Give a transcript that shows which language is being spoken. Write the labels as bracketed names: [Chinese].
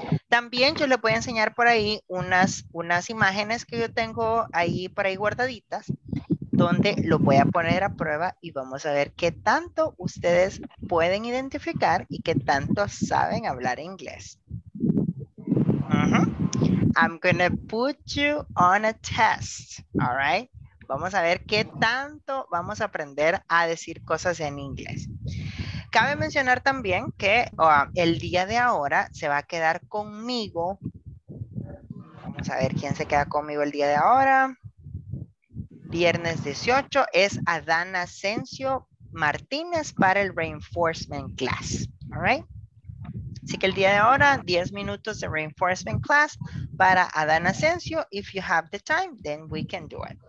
[Spanish] También yo les voy a enseñar por ahí unas imágenes que yo tengo ahí por ahí guardaditas, donde lo voy a poner a prueba y vamos a ver qué tanto ustedes pueden identificar y qué tanto saben hablar inglés. Uh-huh. [English] I'm gonna put you on a test, all right? [Spanish] Vamos a ver qué tanto vamos a aprender a decir cosas en inglés. Cabe mencionar también que el día de ahora se va a quedar conmigo. Vamos a ver quién se queda conmigo el día de ahora. Viernes 18 es Adán Asensio Martínez para el Reinforcement Class. All right. Así que el día de ahora, 10 minutos de Reinforcement Class para Adán Asensio. [English] If you have the time, then we can do it.